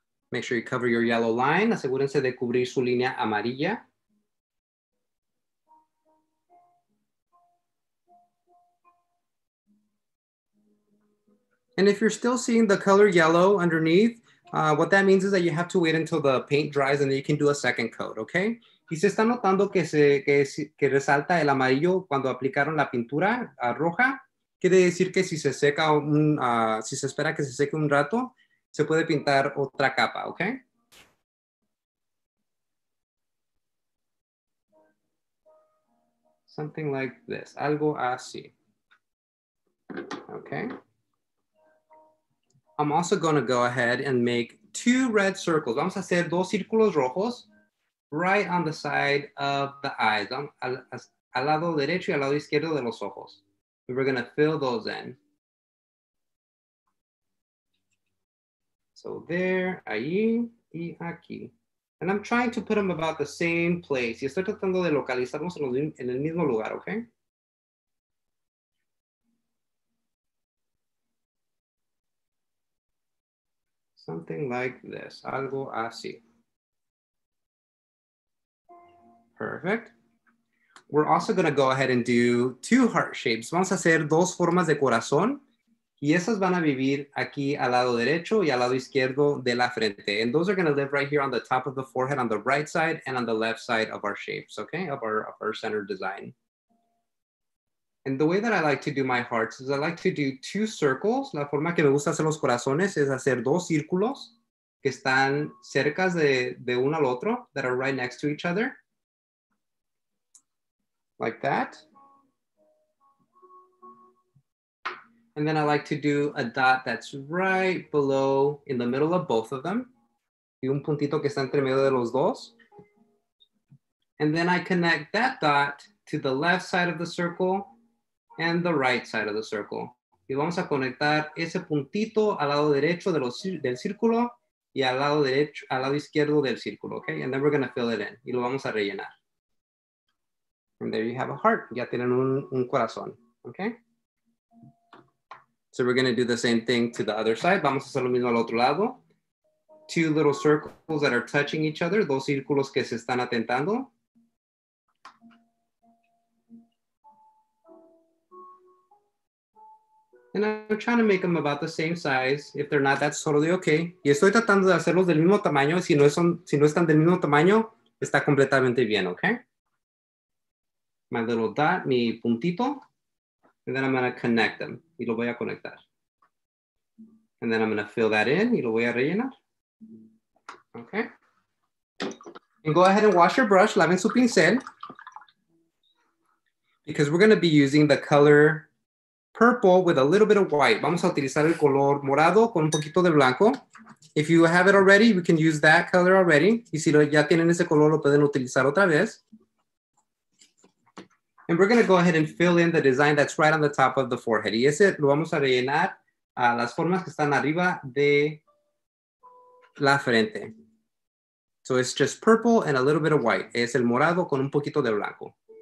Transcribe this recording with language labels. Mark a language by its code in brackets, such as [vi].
[en] Make sure you cover your yellow line. [es] Asegúrense de cubrir su línea amarilla. [en] And if you're still seeing the color yellow underneath, what that means is that you have to wait until the paint dries and then you can do a second coat, okay? [es] Y se está notando que resalta el amarillo cuando aplicaron la pintura roja. Quiere decir que si se seca si se espera que se seque un rato, se puede pintar otra capa, okay? [en] Something like this, [es] algo así. [en] Okay. I'm also gonna go ahead and make two red circles. [es] Vamos a hacer dos círculos rojos [en] right on the side of the eyes, [es] al lado derecho y al lado izquierdo de los ojos. [en] We're gonna fill those in. So there, [es] ahí y aquí. [en] And I'm trying to put them about the same place. [es] Y estoy tratando de localizarlos en el mismo lugar, okay? [en] Something like this, [es] algo así. [en] Perfect. We're also gonna go ahead and do two heart shapes. [es] Vamos a hacer dos formas de corazón. Y esas van a vivir aquí al lado derecho y al lado izquierdo de la frente. [en] And those are gonna live right here on the top of the forehead on the right side and on the left side of our shapes, okay? Of our center design. And the way that I like to do my hearts is I like to do two circles. [es] La forma que me gusta hacer los corazones es hacer dos círculos que están cerca de uno al otro, [en] that are right next to each other. Like that. And then I like to do a dot that's right below, in the middle of both of them. Y un puntito que está entre medio de los dos. And then I connect that dot to the left side of the circle and the right side of the circle. [es] Y vamos a conectar ese puntito al lado derecho de los, del círculo y al lado derecho, al lado izquierdo del círculo, okay? [en] And then we're gonna fill it in. [es] Y lo vamos a rellenar. [en] And there you have a heart. [es] Ya tienen un corazón, okay? [en] So we're gonna do the same thing to the other side. [es] Vamos a hacer lo mismo al otro lado. [en] Two little circles that are touching each other. [es] Dos círculos que se están atentando. [en] And I'm trying to make them about the same size. If they're not, that's totally okay. [es] Y estoy tratando de hacerlos del mismo tamaño. Si no están del mismo tamaño, está completamente bien, okay? [en] My little dot, [es] mi puntito. [en] And then I'm gonna connect them. [es] Y lo voy a conectar. [en] And then I'm gonna fill that in [es] y lo voy a rellenar. [en] Okay. And go ahead and wash your brush, [es] laven su pincel. [en] Because we're gonna be using the color purple with a little bit of white. [es] Vamos a utilizar el color morado con un poquito de blanco. [en] If you have it already, we can use that color already. [es] Y si ya tienen ese color, lo pueden utilizar otra vez. [en] And we're gonna go ahead and fill in the design that's right on the top of the forehead. [es] Y ese lo vamos a rellenar a las formas que están arriba de la frente. [en] So it's just purple and a little bit of white. [es] Es el morado con un poquito de blanco.